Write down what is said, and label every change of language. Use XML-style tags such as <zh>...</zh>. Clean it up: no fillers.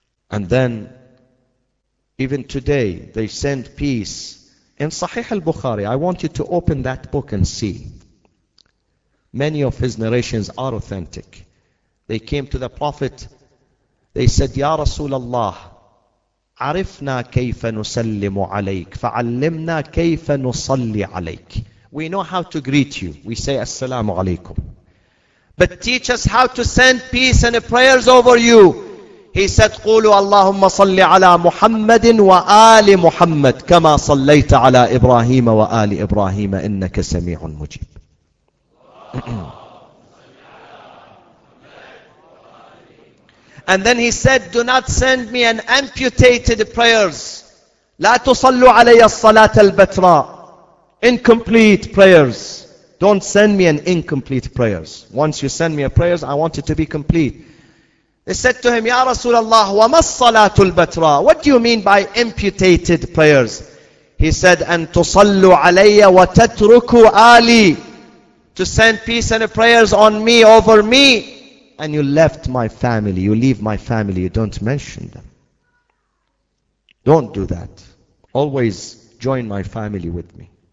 <en>And then, even today, they send peace. In Sahih al-Bukhari, I want you to open that book and see. Many of his narrations are authentic. They came to the Prophet. They said,</en> <ar>Ya Rasulallah, عَرِفْنَا كَيْفَ نُسَلِّمُ عَلَيْكَ فَعَلِّمْنَا كَيْفَ نُصَلِّ عَلَيْكَ.</ar> <en>We know how to greet you. We say, Assalamu alaikum. But teach us how to send peace and prayers over you. He said,</en> <ar>قُولُوا اللَّهُمَّ صَلِّ عَلَى مُحَمَّدٍ وَآلِ مُحَمَّدٍ كَمَا صَلَّيْتَ عَلَى إِبْرَاهِيمَ وَآلِ إِبْرَاهِيمَ إِنَّكَ سَمِيعٌ مُجِيبٌ.</ar> <en>And then he said, do not send me an amputated prayers.</en> <ar>لا تصلوا علي الصلاة البتراء.</ar> <en>Incomplete prayers. Don't send me an incomplete prayers. Once you send me a prayers, I want it to be complete. They said to him, Ya Rasulallah,</en> <ar>وما الصلاة البتراء?</ar> <en>What do you mean by amputated prayers? He said,</en> <ar>أن تصلوا علي وتتركوا آلي.</ar> <en>To send peace and prayers on me, over me. And you left my family, you leave my family, you don't mention them. Don't do that. Always join my family with me.</en>